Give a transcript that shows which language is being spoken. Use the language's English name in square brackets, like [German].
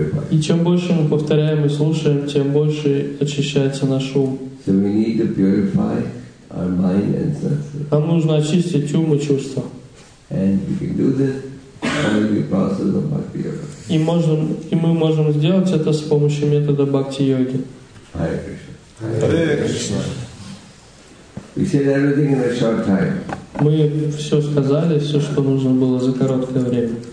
[Russian] И чем больше мы повторяем и слушаем, тем больше очищается наш ум. [English] So we need to purify our mind and senses. [Russian] Нам нужно очистить ум и чувства. [English] And we can do this through the process of bhakti yoga. [Russian] И мы можем сделать это с помощью метода бхакти-йоги. [English] Hare Krishna. We said everything in a short time. [Russian] Мы все сказали, все, что нужно было за короткое время.